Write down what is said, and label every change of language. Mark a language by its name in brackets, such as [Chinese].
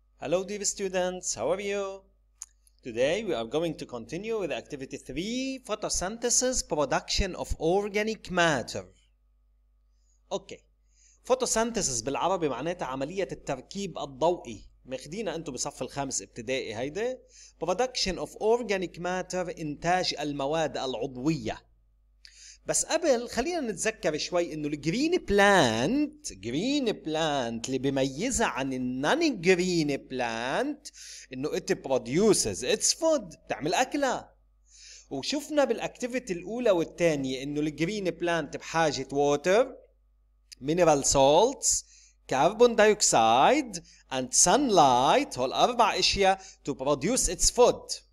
[English] Hello dear students, how are you? Today we are going to continue with activity 3, photosynthesis, production of organic matter. [Arabic] Okay, photosynthesis بالعربي معناتها عملية التركيب الضوئي. مخدينا انتو بصف الخامس ابتدائي هيدا. [English] Production of organic matter, [Arabic] انتاج المواد العضوية. بس قبل خلينا نتذكر شوي انه الجرين بلانت، جرين بلانت اللي بيميزها عن النان جرين بلانت انه [English] it produces its food، [Arabic] بتعمل اكله. وشفنا بالاكتيفيتي الاولى والثانيه انه الجرين بلانت بحاجه ووتر، مينرال سولتس، كربون دايوكسيد [English] and sun light, [Arabic] هول اربع اشياء [English] To produce its food.